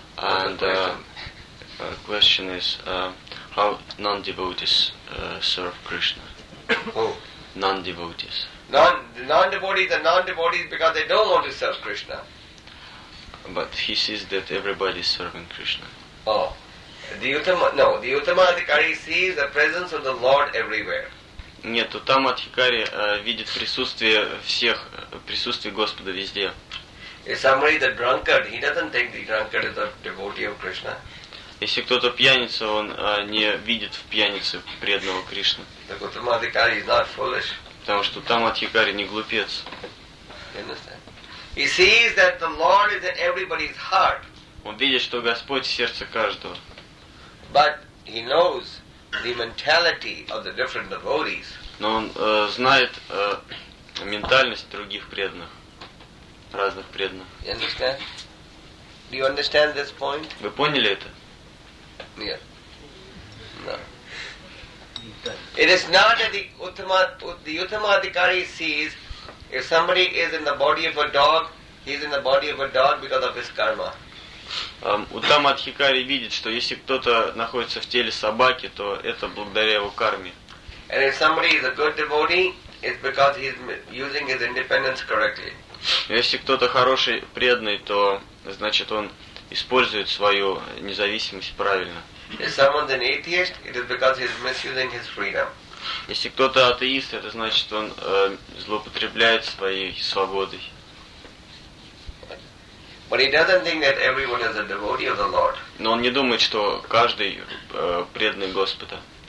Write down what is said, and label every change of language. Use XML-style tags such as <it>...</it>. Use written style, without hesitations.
<en>And the question is how non devotees serve Krishna? Who? Non devotees. Non-devotees are non-devotees because they don't want to serve Krishna. But he sees that everybody is serving Krishna. Oh. The Uttamadhikari sees the presence of the Lord everywhere.</en> <ru>Нет, Уттамадхикари видит присутствие всех, присутствие Господа везде.</ru> <en>If somebody is a drunkard, he doesn't think the drunkard is a devotee of Krishna.</en> <ru>Если кто-то пьяница, он не видит в пьянице преданного Кришны. Так</ru> <en>Уттамадхикари is not foolish.</en> <ru>Потому что Уттамадхикари не глупец.</ru> <en>He sees that the Lord is in everybody's heart.</en> <ru>Он видит, что Господь в сердце каждого.</ru> <en>But he knows the mentality of the different devotees.</en> <ru>Но он знает ментальность других преданных, разных преданных.</ru> <en>You understand? Do you understand this point?</en> <ru>Вы поняли это? Нет.</ru> <en>No. It is not that the Uttamadhikari sees if somebody is in the body of a dog, he is in the body of a dog because of his karma.</en> <ru>Уттамадхикари видит, что если кто-то находится в теле собаки, то это благодаря его карме.</ru> <en>And if somebody is a good devotee, it's because he's using his independence correctly.</en> <ru>Если кто-то хороший преданный, то значит он использует свою независимость правильно.</ru> <en>If someone's an atheist, it is because he's misusing his freedom.</en> <ru>Если кто-то атеист, это значит он злоупотребляет своей свободой.</ru> <en>But he doesn't think that everyone is a devotee of the Lord.</en> <ru>Но он не думает, что каждый преданный Господа.</ru>